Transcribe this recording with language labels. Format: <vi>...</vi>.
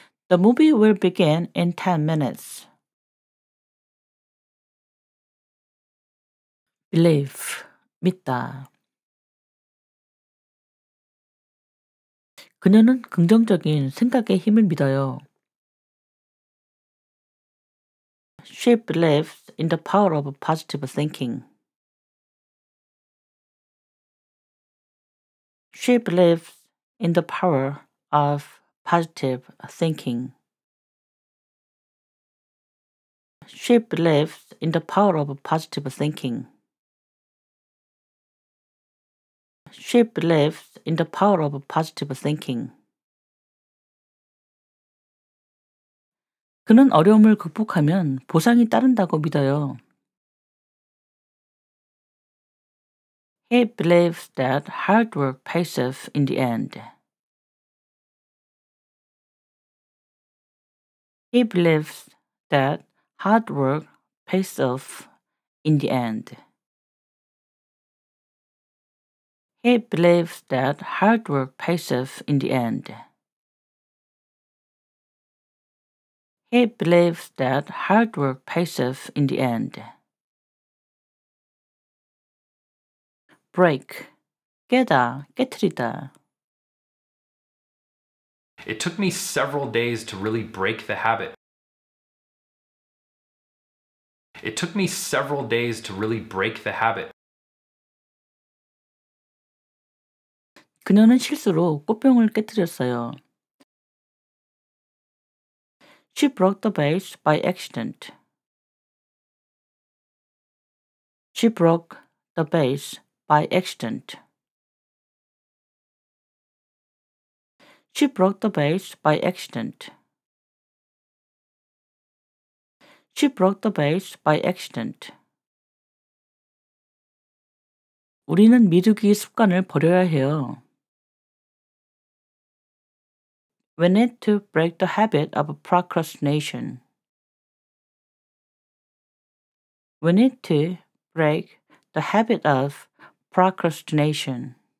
<en>The movie will begin in 10 minutes. Believe, 믿다.</en> <ko>그녀는 긍정적인 생각의 힘을 믿어요.</ko> <en>She believes in the power of positive thinking. She believes in the power of positive thinking. She believes in the power of positive thinking. She believes in the power of positive thinking.</en> <ko>그는 어려움을 극복하면 보상이 따른다고 믿어요.</ko> <en>He believes that hard work pays off in the end. He believes that hard work pays off in the end. He believes that hard work pays off in the end. He believes that hard work pays off in the end. Break.</en> <ko>깨다, 깨트리다.</ko> <en>It took me several days to really break the habit. It took me several days to really break the habit.</en> <ko>그녀는 실수로 꽃병을 깨뜨렸어요.</ko> <en>She broke the vase by accident. She broke the vase by accident. She broke the vase by accident. She broke the vase by accident.</en> <ko>우리는 미루기 습관을 버려야 해요.</ko> <en>We need to break the habit of procrastination. We need to break the habit of procrastination.</en>